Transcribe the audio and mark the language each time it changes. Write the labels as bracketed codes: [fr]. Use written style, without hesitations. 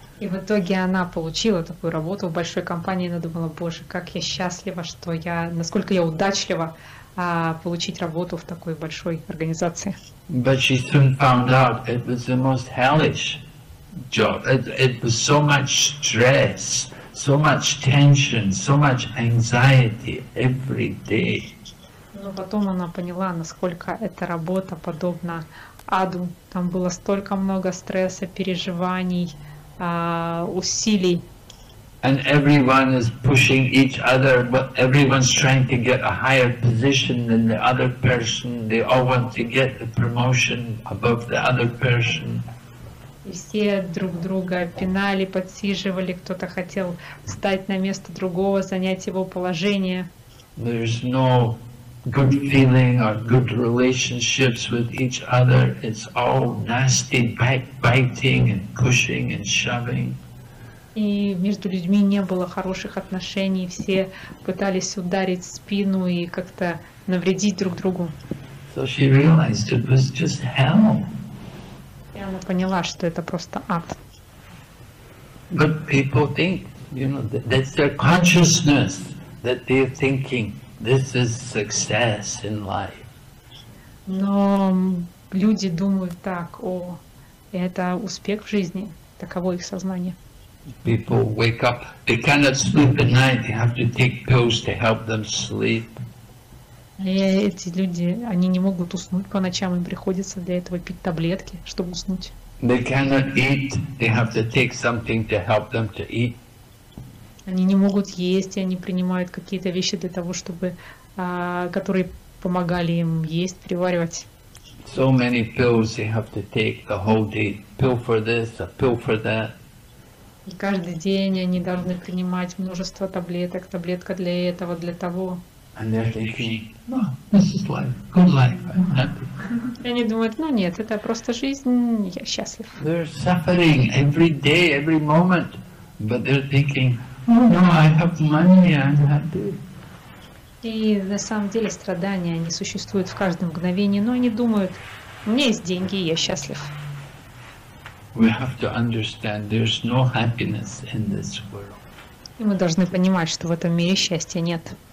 [ru] И в итоге она получила такую работу в большой компании, и она думала, боже, как я счастлива, что я, насколько я удачлива, получить работу в такой большой организации. [en] But she soon found out it was the most hellish job. It was so much stress, so much tension, so much anxiety every day. [ru] Но потом она поняла, насколько эта работа подобна аду. Там было столько много стресса, переживаний, усилий. [en] And everyone is pushing each other, but everyone's trying to get a higher position than the other person. They all want to get the promotion above the other person. [ru] И все друг друга пинали, подсиживали, кто-то хотел встать на место другого, занять его положение. [en] There's no good feeling or good relationships with each other, it's all nasty biting and pushing and shoving. [ru] И между людьми не было хороших отношений, все пытались ударить спину и как-то навредить друг другу. [en] So she realized it was just hell. [ru] И она поняла, что это просто ад. [en] But people think, you know, that's their consciousness that they're thinking this is success in life. [ru] Но люди думают так: о, это успех в жизни, таково их сознание. [en] People wake up, they cannot sleep at night, they have to take pills to help them sleep. [ru] И эти люди, они не могут уснуть по ночам, им приходится для этого пить таблетки, чтобы уснуть. [en] They cannot eat, they have to take something to help them to eat. [ru] Они не могут есть, и они принимают какие-то вещи для того, чтобы, которые помогали им есть, переваривать. [en] So many pills they have to take the whole day, pill for this, a pill for that. [ru] И каждый день они должны принимать множество таблеток, таблетка для этого, для того. [en] And they're thinking, no, this is life, good life, I'm happy. [ru] И они думают, ну нет, это просто жизнь, я счастлив. [en] They're suffering every day, every moment, but they're thinking, oh no, I have money, I'm happy. [ru] И на самом деле страдания, они существуют в каждом мгновении, но они думают, у меня есть деньги, я счастлив. [en] We have to understand there's no happiness in this world. [ru] И мы должны понимать, что в этом мире счастья нет.